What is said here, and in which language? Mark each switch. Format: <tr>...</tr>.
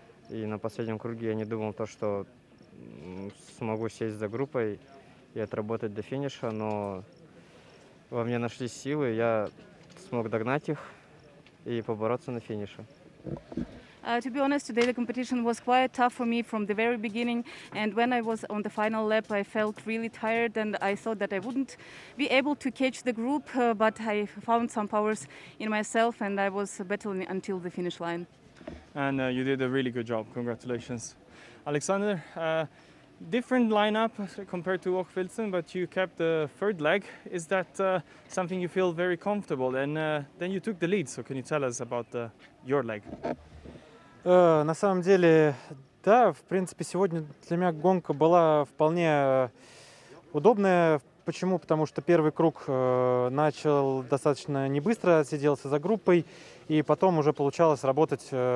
<ru>И на последнем круге я не думал то, что смогу сесть за группой и отработать до финиша, но во мне нашлись силы, я смог догнать их.</ru> <en>To be honest, today the competition was quite tough for me from the very beginning, and when I was on the final lap I felt really tired and I thought that I wouldn't be able to catch the group, but I found some powers in myself and I was battling until the finish line. And you did a really good job, congratulations. Alexander, different lineup compared to Hochfilzen, but you kept the third leg. Is that something you feel very comfortable? And then you took the lead. So can you tell us about your leg?</en> <ru>На самом деле, да, в принципе, сегодня для меня гонка была вполне удобная. Почему? Потому что первый круг начал достаточно не быстро, сиделся за группой, и потом уже получалось работать.</ru>